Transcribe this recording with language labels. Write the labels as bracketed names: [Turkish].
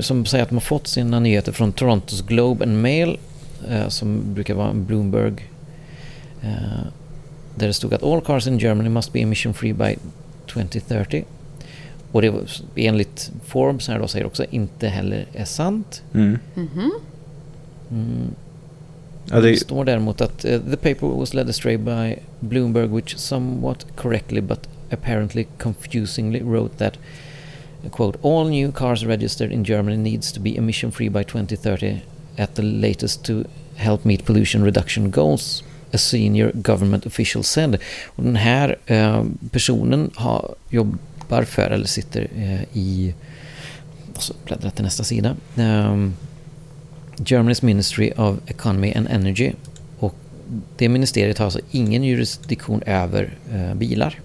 [Swedish] Som säger att de har fått sina nyheter från Toronto's Globe and Mail, som brukar vara en Bloomberg, där det stod att [English] all cars in Germany must be emission free by 2030, [Swedish] och det enligt Forbes här då säger också inte heller är sant. Det står däremot att [English] the paper was led astray by Bloomberg, which somewhat correctly but apparently confusingly wrote that quote, all new cars registered in Germany needs to be emission free by 2030 at the latest to help meet pollution reduction goals, a senior government official said. [Swedish] Och den här personen jobbar för, eller sitter i, och så bläddrar till nästa sida, Germany's Ministry of Economy and Energy, och det ministeriet har alltså ingen jurisdiktion över bilar.